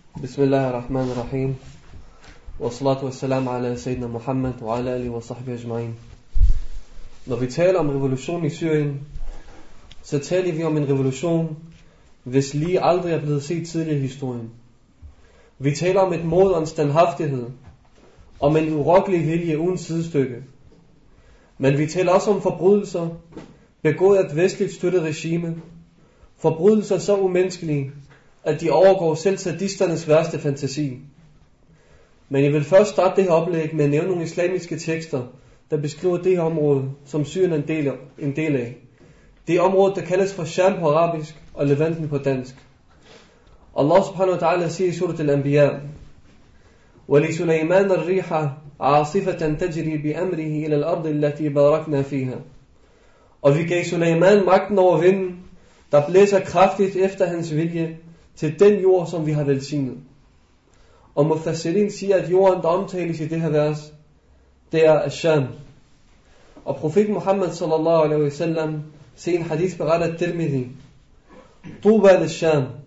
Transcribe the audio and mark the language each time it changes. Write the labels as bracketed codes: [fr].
[ar] بسم الله الرحمن الرحيم والصلاة والسلام على سيدنا محمد وعلى آله وصحبه أجمعين. [da] Når vi taler om revolutionen i Syrien, så taler vi om en revolution, hvis lige aldrig er blevet set tidligere i historien. Vi taler om et mod og en standhaftighed, om en urokkelig vilje uden sidestykke. Men vi taler også om forbrydelser, begået af et vestligt støttet regime. Forbrydelser så umenneskelige, at de overgår selv sadisternes værste fantasi. Men jeg vil først starte det her oplæg med at nævne nogle islamiske tekster, der beskriver det her område, som Syrien er en del af. Det område, der kaldes for Sham på arabisk og Levanten på dansk. Allah subhanahu wa ta'ala siger i surat al-Anbiya, [ar] وَلِي سُلَيْمَانَ الرِّيحَ عَاصِفَةً تَجْرِي بِأَمْرِهِ إِلَى الْأَرْضِ الَّتِي بَارَكْنَا فِيهَا. [da] Og vi gav Sulaiman magten over vinden, der blæser kraftigt efter hans vilje, til den jord, som vi har velsignet. Og Mufassirin siger, at jorden, der omtales i det her vers, det er Asham. Og profeten Muhammad sallallahu alaihi wasallam ser en hadith beretter Tirmidhi. Tuba al Asham.